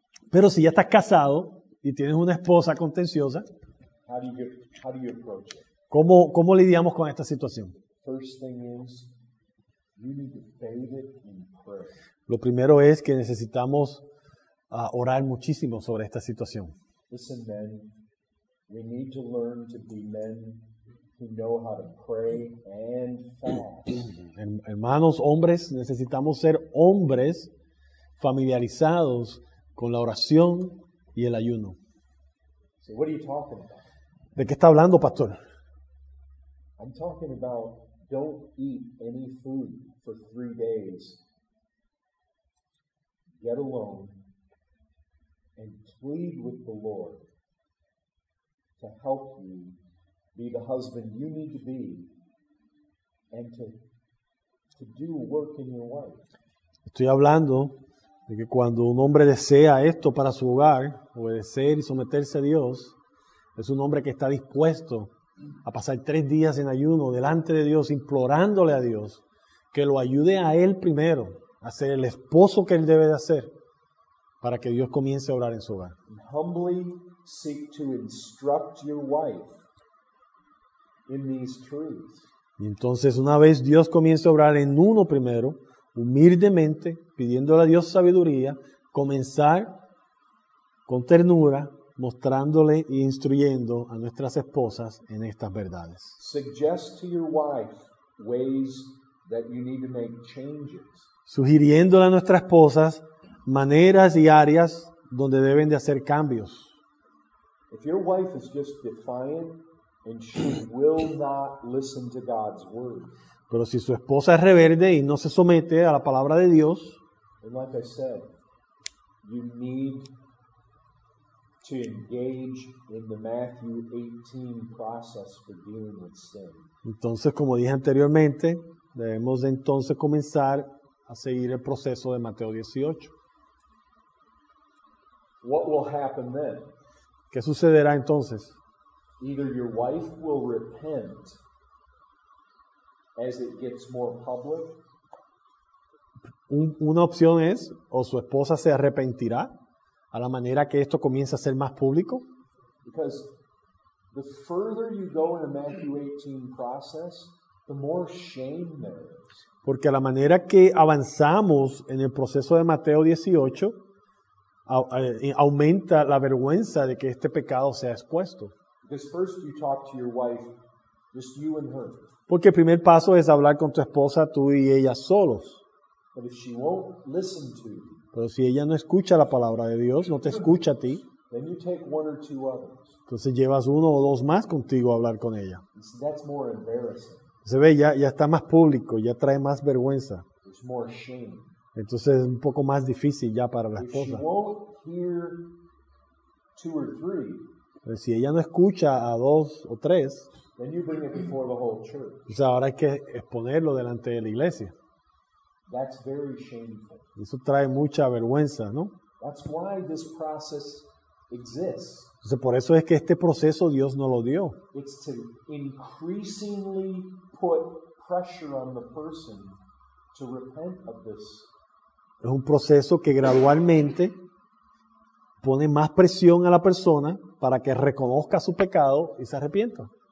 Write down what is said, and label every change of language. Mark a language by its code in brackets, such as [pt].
[es] Pero si ya estás casado y tienes una esposa contenciosa, [en] How do you approach it? [es] ¿Cómo lidiamos con esta situación? [en] First thing is, you need to bathe it in prayer. [es] Lo primero es que necesitamos orar muchísimo sobre esta situación. [en] Listen, men, we need to learn to be men who know how to pray and fast. [es] Hermanos, hombres, necesitamos ser hombres familiarizados con la oración y el ayuno. [en] So what are you talking about? [es] ¿De qué está hablando, pastor? [en] I'm talking about don't eat any food for 3 days. Get alone and plead with the Lord to help you be the husband you need to be and to do work in your wife. [es] Estoy hablando de que cuando un hombre desea esto para su hogar, obedecer y someterse a Dios, es un hombre que está dispuesto a pasar 3 días en ayuno delante de Dios, implorándole a Dios que lo ayude a él primero a ser el esposo que él debe de hacer para que Dios comience a obrar en su hogar. [en] Humbly seek to instruct your wife in these truths. [es] Y entonces, una vez Dios comience a obrar en uno primero, humildemente, pidiéndole a Dios sabiduría, comenzar con ternura, mostrándole e instruyendo a nuestras esposas en estas verdades. [en] Suggest to your wife ways that you need to make changes. [es] Sugiriéndole a nuestras esposas maneras y áreas donde deben de hacer cambios. [en] If your wife is just defiant and she will not listen to God's word. [es] Pero si su esposa es rebelde y no se somete a la palabra de Dios, [en] and like I said, you need to engage in the Matthew 18 process for dealing with sin. [es] Entonces, como dije anteriormente, debemos entonces comenzar a seguir el proceso de Mateo 18. [en] What will happen then? [es] ¿Qué sucederá entonces? [en] Either your wife will repent as it gets more public. [es] Una opción es, o su esposa se arrepentirá a la manera que esto comienza a ser más público. [en] Because the further you go in the Matthew 18 process, the more shame there is. [es] Porque a la manera que avanzamos en el proceso de Mateo 18, aumenta la vergüenza de que este pecado sea expuesto. [en] Because first you talk to your wife, just you and her. [es] Porque el primer paso es hablar con tu esposa, tú y ella solos. [en] But if she won't listen to you, [es] pero si ella no escucha la palabra de Dios, no te escucha a ti, [en] then you take one or two others. [es] Entonces llevas uno o dos más contigo a hablar con ella. [en] See, that's more embarrassing. [es] Se ve, ya está más público, ya trae más vergüenza. [en] There's more shame. [es] Entonces es un poco más difícil ya para la [en] if [es] esposa. [en] She won't hear two or three, [es] pero si ella no escucha a dos o tres, [en] then you bring it before the whole church. [es] Pues ahora hay que exponerlo delante de la iglesia. [en] That's very shameful. [es] Eso trae mucha vergüenza, ¿no? [en] That's why this process exists. [es] Entonces, por eso es que este proceso Dios no lo dio. [en] It's to increasingly put pressure on the person to repent of this. [es] Es un proceso que gradualmente pone más presión a la persona para que reconozca su pecado y se arrepienta.